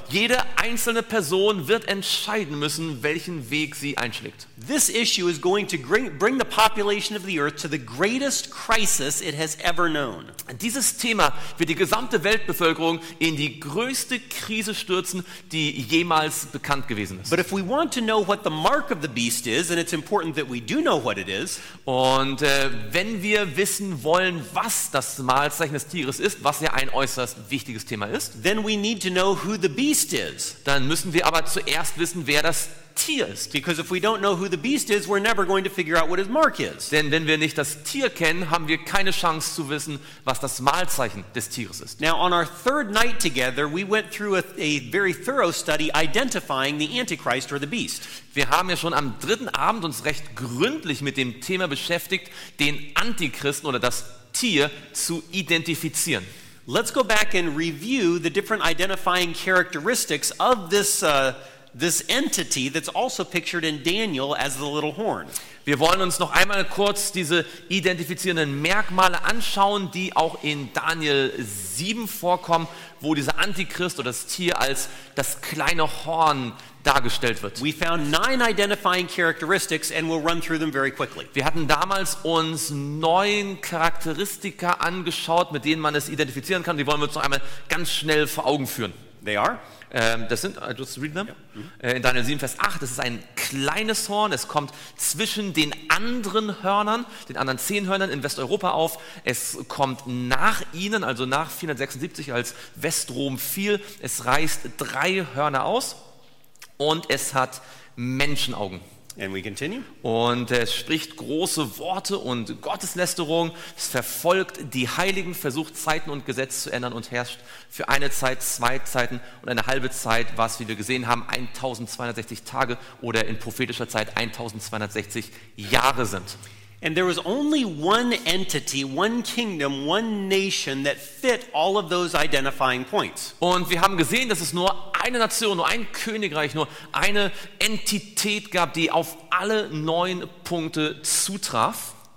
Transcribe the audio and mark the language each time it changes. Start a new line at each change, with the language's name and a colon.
German: Jede einzelne Person wird entscheiden müssen, welchen Weg sie einschlägt.
English: This issue was going to bring the population of the earth to the greatest crisis it has ever known.
German: Dieses Thema wird die gesamte Weltbevölkerung in die größte Krise stürzen, die jemals bekannt gewesen ist.
English: But if we want to know what the mark of the beast is, and it's important that we do know what it is,
German: und wenn wir wissen wollen, was das Malzeichen des Tieres ist, was ja ein äußerst wichtiges Thema ist,
English: then we need to know who the beast is.
German: Dann müssen wir aber zuerst wissen, wer das Tier ist.
English: Because if we don't know who the beast is, we're never going to figure out what his mark is.
German: Denn wenn wir nicht das Tier kennen, haben wir keine Chance zu wissen, was das Malzeichen des Tieres ist.
English: Now on our third night together, we went through a very thorough study identifying the Antichrist or the beast.
German: Wir haben ja schon am dritten Abend uns recht gründlich mit dem Thema beschäftigt, den Antichristen oder das Tier zu identifizieren.
English: Let's go back and review the different identifying characteristics of this this entity that's also pictured in Daniel as the little horn.
German: Wir wollen uns noch einmal kurz diese identifizierenden Merkmale anschauen, die auch in Daniel 7 vorkommen, wo dieser Antichrist oder das Tier als das kleine Horn dargestellt wird.
English: We found 9 identifying characteristics and we'll run through them very quickly.
German: Wir hatten damals uns 9 Charakteristika angeschaut, mit denen man es identifizieren kann. Die wollen wir uns noch einmal ganz schnell vor Augen führen.
English: They are.
German: Das sind,
English: I just read them.
German: In Daniel 7, Vers 8, das ist ein kleines Horn. Es kommt zwischen den anderen Hörnern, den anderen 10 Hörnern in Westeuropa auf. Es kommt nach ihnen, also nach 476, als Westrom fiel. Es reißt 3 Hörner aus und es hat Menschenaugen.
English: And we continue.
German: Und es spricht große Worte und Gotteslästerung. Es verfolgt die Heiligen, versucht Zeiten und Gesetze zu ändern und herrscht für eine Zeit, 2 Zeiten und eine halbe Zeit, was, wie wir gesehen haben, 1260 Tage oder in prophetischer Zeit 1260 Jahre sind.
English: And there was only one entity, one kingdom, one nation that fit all of those identifying points.
German: Und wir haben gesehen, dass es nur eine Nation, nur ein Königreich, nur eine Entität gab, die auf alle 9 Punkte zutraf.